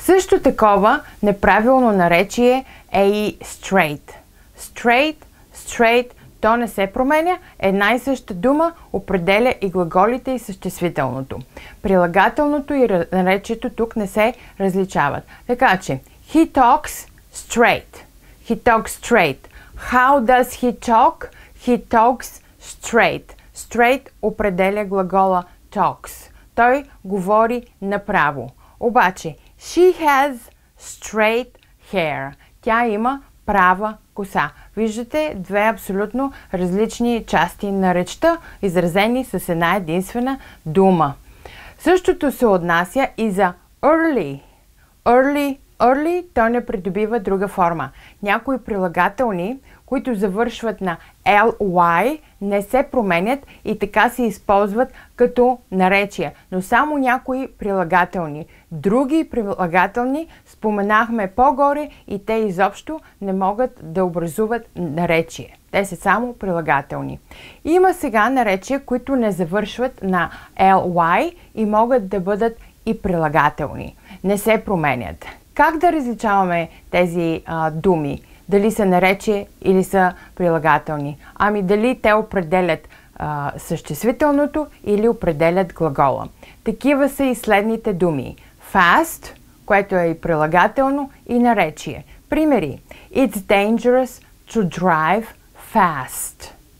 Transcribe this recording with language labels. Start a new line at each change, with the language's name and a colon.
Bulgarian: Също такова неправилно наречие е и straight. Straight, straight, то не се променя. Една и съща дума определя и глаголите и съществителното. Прилагателното и наречието тук не се различават. Така че,
English: he talks straight. He talks straight. How does he talk? He talks straight.
Bulgarian: Straight определя глагола talks. Той говори направо. Обаче,
English: she has straight hair.
Bulgarian: Тя има права коса. Виждате две абсолютно различни части на речта, изразени с една единствена дума. Същото се отнася и за early. Early, early, то не придобива друга форма. Някои прилагателни, които завършват на ly, не се променят и така се използват като наречия. Но само някои прилагателни. Други прилагателни споменахме по-горе и те изобщо не могат да образуват наречие. Те са само прилагателни. Има сега наречия, които не завършват на ly и могат да бъдат и прилагателни. Не се променят. Как да различаваме тези думи? Дали са наречия или са прилагателни? Ами дали те определят съществителното или определят глагола? Такива са и следните думи. Fast, което е и прилагателно, и наречие. Примери.
English: It's dangerous to drive fast.